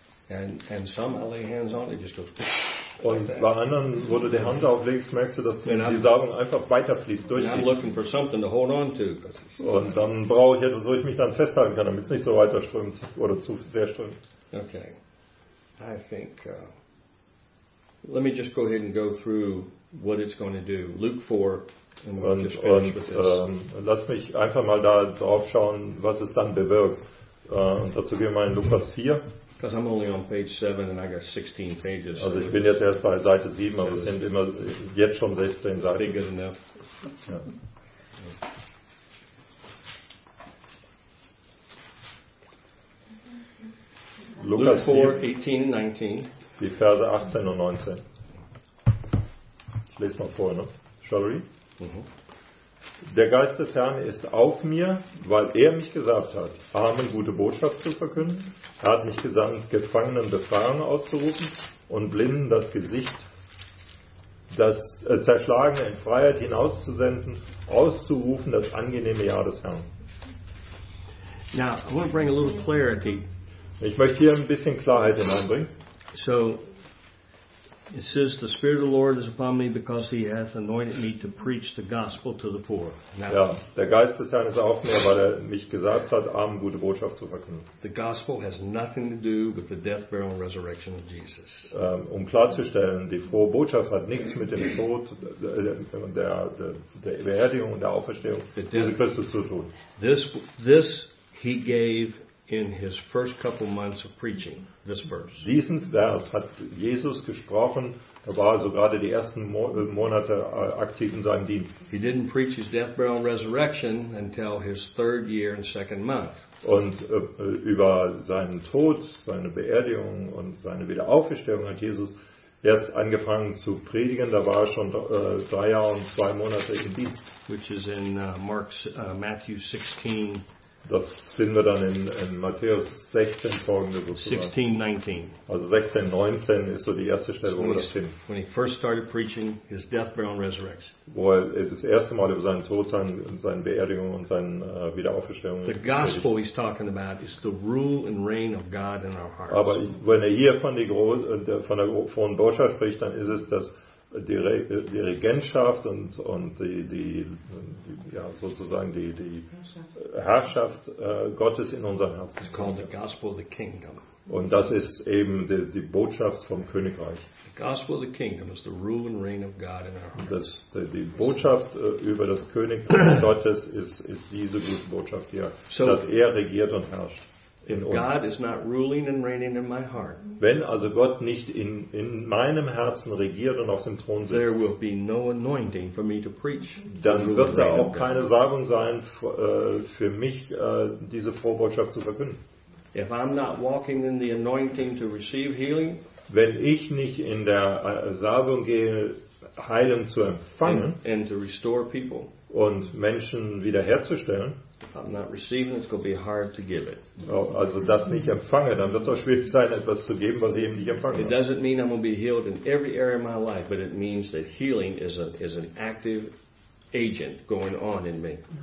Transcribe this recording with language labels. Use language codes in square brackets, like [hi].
[en] And some I lay hands on, it just goes. [de] Und bei anderen, wo du die Hand auflegst, merkst du, dass die Salbung einfach weiterfließt durch dich. [en] I'm looking for something to hold on to. [de] Und dann brauche ich etwas, wo ich mich dann festhalten kann, damit es nicht so weiter strömt oder zu sehr strömt. [en] Okay. I think, let me just go ahead and go through what it's going to do. Luke 4. [de] Und lass mich einfach mal da drauf schauen, was es dann bewirkt. Und dazu gehen wir mal in Lukas 4. [en] Because I'm only on page 7 and I got 16 pages. [de] Also ich bin jetzt erst bei Seite 7, aber es sind immer jetzt schon 16 Seiten. [en] Bigger than that. [de] Lukas 4, 18 und 19. Die Verse 18 und 19. Ich lese mal vor, ne? [en] Shall we? [de] Der Geist des Herrn ist auf mir, weil er mich gesandt hat, Armen gute Botschaft zu verkünden. Er hat mich gesandt, Gefangenen Befreiung auszurufen und Blinden das Gesicht, das Zerschlagene in Freiheit hinauszusenden, auszurufen das angenehme Jahr des Herrn. [en] Now, I want to bring a little clarity. [de] Ich möchte hier ein bisschen Klarheit hineinbringen. [en] So, It says, the Spirit of the Lord is upon me because he hath anointed me to preach the gospel to the poor. [de] Now, ja, der Geist des Herrn ist auf mir, weil mich gesagt hat, Armen gute Botschaft zu verkünden. [en] The gospel has nothing to do with the death, burial and resurrection of Jesus. [de] Um klarzustellen, die frohe Botschaft hat nichts mit dem Tod, der Beerdigung und der Auferstehung Jesu Christus zu tun. [en] This he gave in his first couple months of preaching this verse. [de] Diesen Vers hat Jesus gesprochen, er war also gerade die ersten Monate aktiv in seinem Dienst. [en] He didn't preach his death, burial and resurrection until his third year and second month. [de] Und über seinen Tod, seine Beerdigung und seine Wiederauferstehung hat Jesus erst angefangen zu predigen, da war er schon 3 Jahre und 2 Monate im Dienst. [en] Which is in Matthew 16. [de] Das finden wir dann in Matthäus 16 folgende sozusagen. [en] 16:19. [de] Also 16:19 ist so die erste Stelle, wo wir das finden. [en] When he first started preaching his death, burial, and resurrection. [de] Wo er das erste Mal über seinen Tod, seine Beerdigung und seine Wiederauferstehung. [en] The gospel he's talking about is the rule and reign of God in our hearts. [de] Aber wenn er hier von der frohen Botschaft spricht, dann ist es das. Die Regentschaft und die Herrschaft Gottes in unserem Herzen. [en] It's called the gospel of the kingdom. [de] Und das ist eben die Botschaft vom Königreich. [en] The gospel of the kingdom is the rule and reign of God in our hearts. [de] Die Botschaft über das Königreich Gottes ist diese gute Botschaft hier, so, dass er regiert und herrscht. [en] God is not ruling and reigning in my heart. [de] Wenn also Gott nicht in meinem Herzen regiert und auf dem Thron sitzt, [en] there will be no anointing for me to preach. [de] Dann wird da auch keine Salbung sein für mich, diese frohe Botschaft zu verkünden. [en] If I'm not walking in the anointing to receive healing, [de] wenn ich nicht in der Salbung gehe, Heilung zu empfangen, [en] and to restore people, [de] und Menschen wiederherzustellen. [en] I'm not receiving, it's going to be hard to give it. [de] Oh, also das nicht empfange, dann wird es auch schwierig sein, etwas zu geben, was ich eben nicht empfange. [en] It doesn't mean I'm going to be healed in every area of my life, but it means that healing is an active agent going on in me.